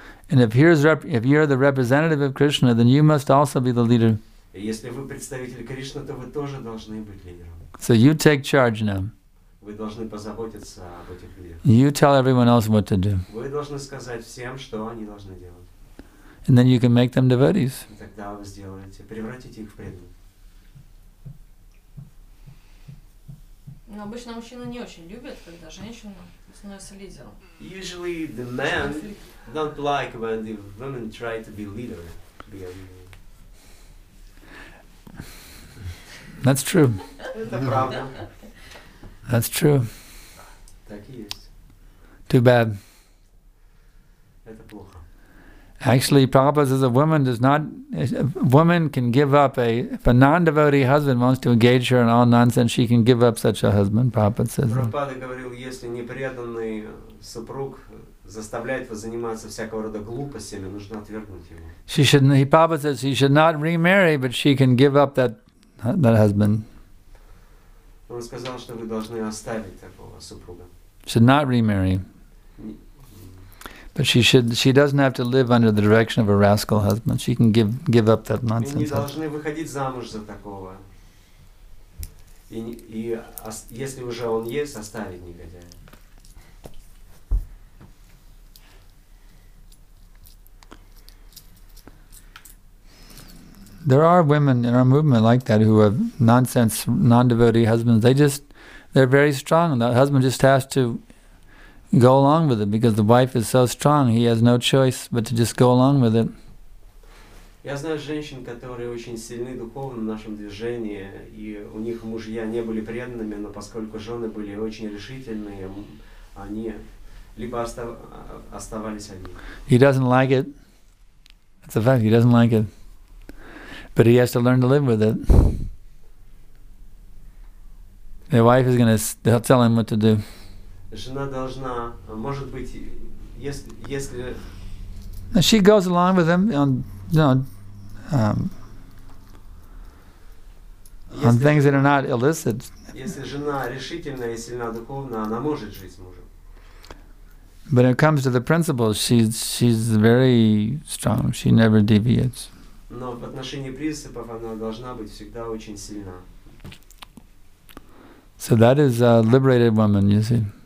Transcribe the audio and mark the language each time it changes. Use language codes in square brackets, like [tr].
[en] And if you're the representative of Krishna, then you must also be the leader. [ru] Если вы представитель Кришны, то вы тоже должны быть лидером. [en] So you take charge now. [ru] Вы должны позаботиться об этих людях. [en] You tell everyone else what to do. [ru] Вы должны сказать всем, что они должны делать. [en] And then you can make them devotees. [ru] И тогда вы сделаете, превратите их в преданных. Но обычно мужчины не очень любят, когда женщина становится лидером. [en] Usually the men don't like when the women try to be a leader. That's true. That's true. Too bad. Actually, Prabhupada says a woman can give up if a non-devotee husband wants to engage her in all nonsense, she can give up such a husband, Prabhupada says. [ru] Prabhupada говорил, если непреданный супруг заставляет вас заниматься всякого рода глупостями, нужно отвергнуть его. [en] Prabhupada says she should not remarry, but she can give up that husband. [ru] Он сказал, что вы должны оставить такого супруга. [en] Should not remarry. But she doesn't have to live under the direction of a rascal husband. She can give up that nonsense. [ru] Вы не должны выходить замуж за такого если уже он есть, оставить негодяя. [en] There are women in our movement like that who have nonsense, non-devotee husbands. They're very strong. The husband just has to go along with it because the wife is so strong. He has no choice but to just go along with it. [ru] Я знаю женщин, которые очень сильны духовно в нашем движении, и у них мужья не были преданными, но поскольку жены были очень решительные, они либо оставались одни. [en] He doesn't like it. That's a fact. He doesn't like it. But he has to learn to live with it. The wife is gonna tell him what to do. [ru] Жена должна, может быть, если. [en] And she goes along with him on, on things that are not illicit. [ru] Если жена решительная и сильна духовно, она может жить с мужем. [en] But when it comes to the principles, she's very strong. She never deviates. [ru] Но в отношении принципов она должна быть всегда очень сильна. [en] So that is a liberated woman, you see.